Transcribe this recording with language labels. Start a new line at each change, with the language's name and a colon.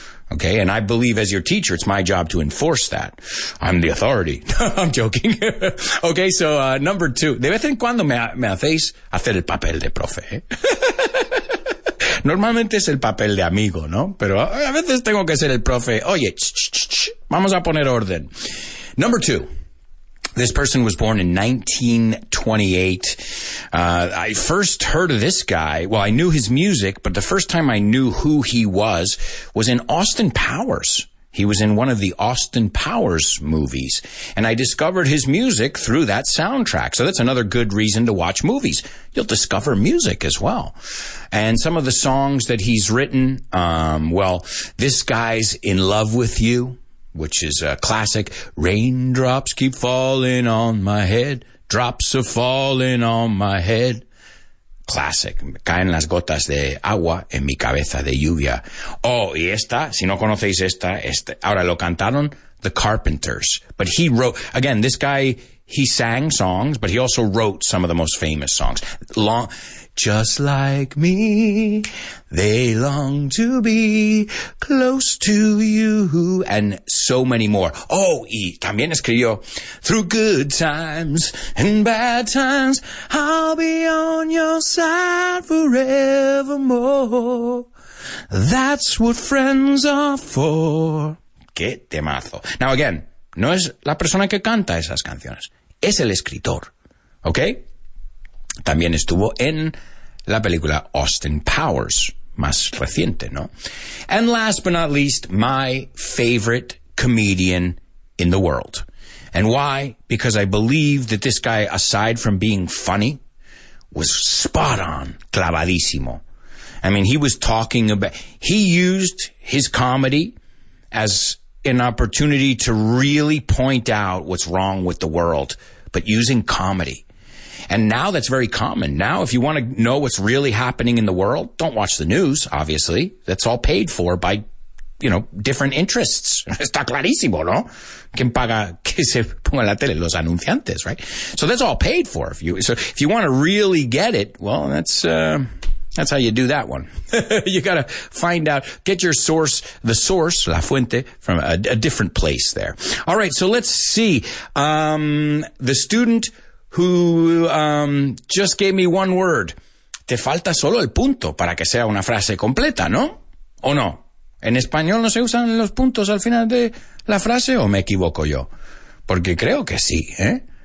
English: Okay, and I believe as your teacher, it's my job to enforce that. I'm the authority. I'm joking. Okay, so number two.
Spanish: De vez en cuando me hacéis hacer el papel de profe. Normalmente es el papel de amigo, ¿no? Pero a veces tengo que ser el profe. Oye, vamos a poner orden.
English: Number two. This person was born in 1928. I first heard of this guy. Well, I knew his music, but the first time I knew who he was in Austin Powers. He was in one of the Austin Powers movies, and I discovered his music through that soundtrack. So that's another good reason to watch movies. You'll discover music as well. And some of the songs that he's written, well, This Guy's in Love with You, which is a classic. Raindrops keep falling on my head. Drops are falling on my head. Classic.
Spanish: Caen las gotas de agua en mi cabeza de lluvia. Oh, y esta, si no conocéis esta, esta. Ahora lo cantaron The Carpenters.
English: But he wrote, again, this guy, he sang songs, but he also wrote some of the most famous songs. Long, just like me, they long to be close to you, and so many more.
Spanish: Oh, y también escribió,
English: through good times and bad times, I'll be on your side forevermore. That's what friends are for.
Spanish: Qué temazo.
English: Now again,
Spanish: no es la persona que canta esas canciones, es el escritor, ¿ok? También estuvo en la película Austin Powers, más reciente, ¿no?
English: And last but not least, my favorite comedian in the world. And why? Because I believe that this guy, aside from being funny, was spot on, clavadísimo. I mean, he was talking about, he used his comedy as an opportunity to really point out what's wrong with the world, but using comedy. And now that's very common. Now, if you want to know what's really happening in the world, don't watch the news, obviously. That's all paid for by, you know, different interests.
Spanish: Está clarísimo, ¿no? ¿Quién paga que se ponga la tele? Los anunciantes,
English: right? So that's all paid for. If you want to really get it, well, that's how you do that one. You got to find out, get your source, the source, la fuente, from a different place there. All right, so let's see. The student who just gave me one word.
Spanish: Te falta solo el punto para que sea una frase completa, ¿no? ¿O no? ¿En español no se usan los puntos al final de la frase o me equivoco yo? Porque creo que sí, ¿eh?